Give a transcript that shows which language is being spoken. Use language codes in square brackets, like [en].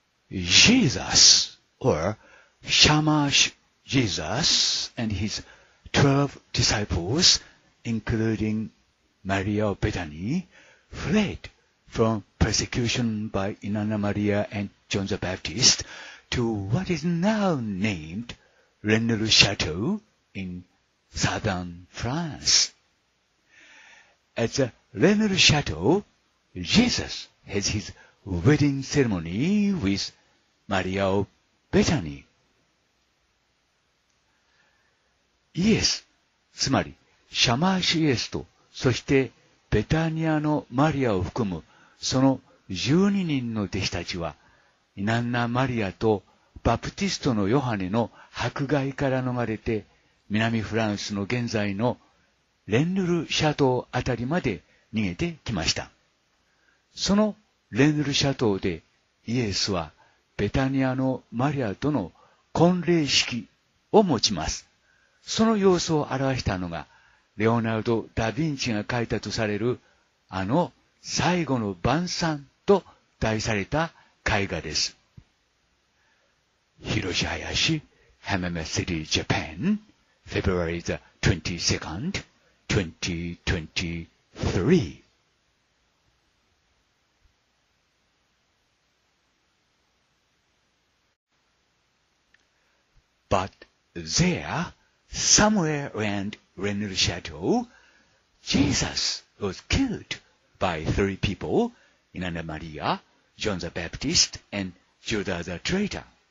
[en] Jesus, or Shamash Jesus and his 12 disciples, including Maria of Bethany, fled from persecution by Inanna Maria and John the Baptist to what is now named Rennes Chateau in southern France. At the Rennes Chateau, Jesus has his wedding ceremony with Maria of [ja] ベタニー。イエス、つまりシャマーシュイエスと、そしてベタニアのマリアを含むその12人の弟子たちは、イナンナ・マリアとバプティストのヨハネの迫害から逃れて、南フランスの現在のレンヌル・シャトーあたりまで逃げてきました。そのレンヌル・シャトーでイエスはベタニアのマリアとの婚礼式を持ちます。その様子を表したのが、レオナルド・ダ・ヴィンチが書いたとされるあの最後の晩餐と題された絵画です。 [en] 広瀬林、ハメメシティ・ジャパン、February the 22nd, 2023. But there, somewhere around Renner Chateau, Jesus was killed by three people, Inanna Maria, John the Baptist, and Judas the Traitor.